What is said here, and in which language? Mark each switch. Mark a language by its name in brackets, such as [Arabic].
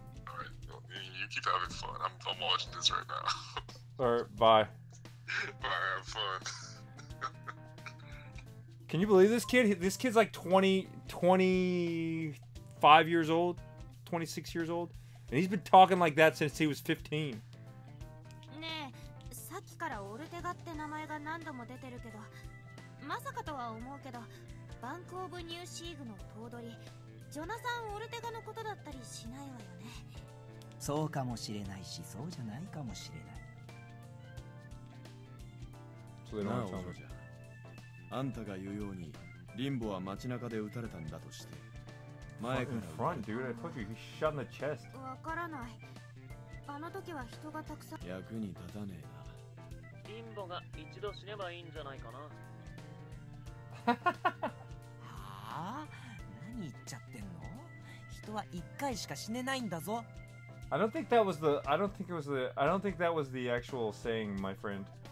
[English] Alright, you keep having fun. I'm watching this right now. Alright, bye. Bye, have fun. K, Can you believe this kid? This kid's like 25 years old, 26 years old, and he's been talking like that since he was 15. [Japanese] ねえ、さっきからオルテガって名前が何度も出てるけど、まさかとは思うけど、バンクオブニューシーグの頭取、ジョナサン・オルテガのことだったりしないわよね。そうかもしれないし、そうじゃないかもしれない。それなのじゃ。あんたが言うようにリンボは街中で撃たれたんだとして、前から撃たれた。フロント、 [English] dude, I told you, he shot in the chest. [Japanese] わからない。あの時は人がたくさん。役に立たねえな。リンボが一度死ねばいいんじゃないかな。はあ？何言っちゃってんの？人は一回しか死ねないんだぞ。 [English] I don't think that was the. I don't think it was the. I don't think that was the actual saying, my friend.